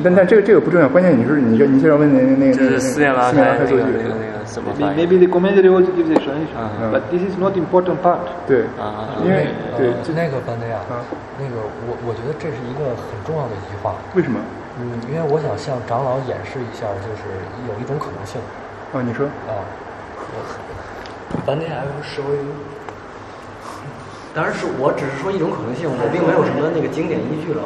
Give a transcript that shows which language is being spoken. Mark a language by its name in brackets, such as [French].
[Chinese] 但这个不重要，关键你是要问那个就是四面拉开那个什么翻译 [English] ？Maybe the commentary also gives explanation, but this is not important part. [Chinese] 对，因为对就那个班德亚，那个我觉得这是一个很重要的一句话。为什么？因为我想向长老演示一下，就是有一种可能性。啊，你说啊，班德亚稍微。当然是我只是说一种可能性，我并没有什么那个经典依据了。